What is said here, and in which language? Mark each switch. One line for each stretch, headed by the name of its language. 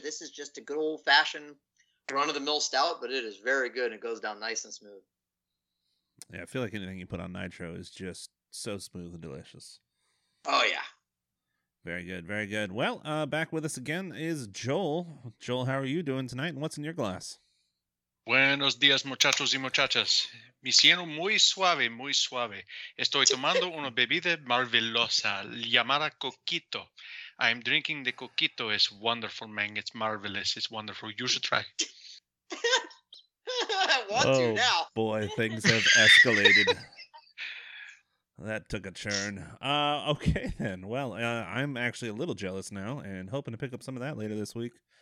English: This is just a good old fashioned run of the mill stout, but it is very good and it goes down nice and smooth. Yeah, I feel like anything you put on nitro is just so smooth and delicious. Oh yeah. Very good, very good. Well, back with us again is Joel. Joel, how are you doing tonight, and what's in your glass?
Spanish: Buenos días, muchachos y muchachas. Me siento muy suave, muy suave. Estoy tomando una bebida maravillosa llamada Coquito.
English: I'm drinking the Coquito. It's wonderful, man. It's marvelous. It's wonderful. You should try. I want to now. Boy, things have escalated. That took a churn. Okay, then. Well, I'm actually a little jealous now and hoping to pick up some of that later this week.